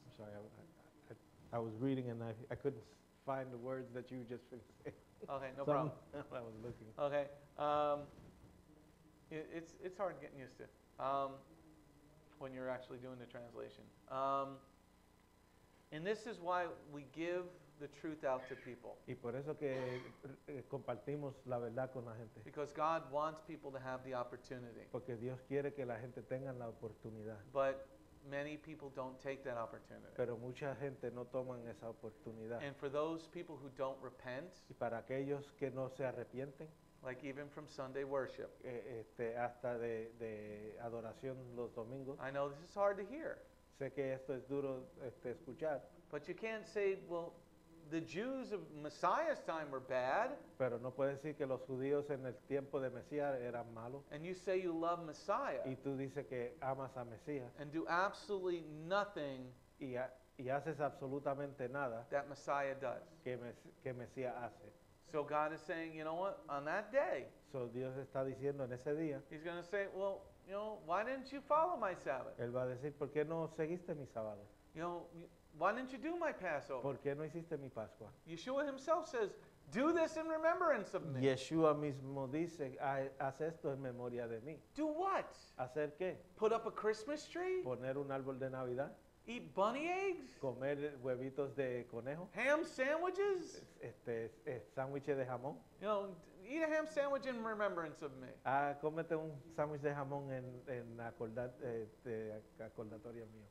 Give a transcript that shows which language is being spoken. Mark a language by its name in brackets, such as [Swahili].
[English] I'm sorry, I was reading and I couldn't find the words that you just finished saying. Okay, no problem. I was looking. Okay. It's hard getting used to when you're actually doing the translation. And this is why we give the truth out to people. [Spanish] Y por eso que compartimos la verdad con la gente. [English] Because God wants people to have the opportunity. [Spanish] Porque Dios quiere que la gente tenga la oportunidad. [English] But many people don't take that opportunity. [Spanish] Pero mucha gente no toman esa oportunidad. [English] And for those people who don't repent. [Spanish] Y para aquellos que no se arrepienten. [English] Like even from Sunday worship. [Spanish] Hasta de adoración los domingos. [English] I know this is hard to hear. [Spanish] Sé que esto es duro escuchar. [English] But you can't say, well, the Jews of Messiah's time were bad. [Spanish] Pero no puedes decir que los judíos en el tiempo de Mesías eran malos. [English] And you say you love Messiah. [Spanish] Y tú dices que amas a Mesías. [English] And do absolutely nothing. [Spanish] Y haces absolutamente nada. [English] That Messiah does. [Spanish] Que Mesías hace. [English] So God is saying, you know what? On that day. [Spanish] So Dios está diciendo en ese día. [English] He's going to say, well, you know, why didn't you follow my Sabbath? [Spanish] Él va a decir, ¿por qué no seguiste mi sábado? [English] You know, why didn't you do my Passover? [Spanish] ¿Por qué no hiciste mi Pascua? [English] Yeshua himself says, do this in remembrance of me. [Spanish] Yeshua mismo dice, haz esto en memoria de mí. [English] Do what? [Spanish] ¿Hacer qué? [English] Put up a Christmas tree? [Spanish] ¿Poner un árbol de Navidad? [English] Eat bunny eggs? [Spanish] ¿Comer huevitos de conejo? [English] Ham sandwiches? [Spanish] Sándwiches de jamón? [English] You know, eat a ham sandwich in remembrance of me. [Spanish] Cómete un sándwich de jamón en acordatoria mío.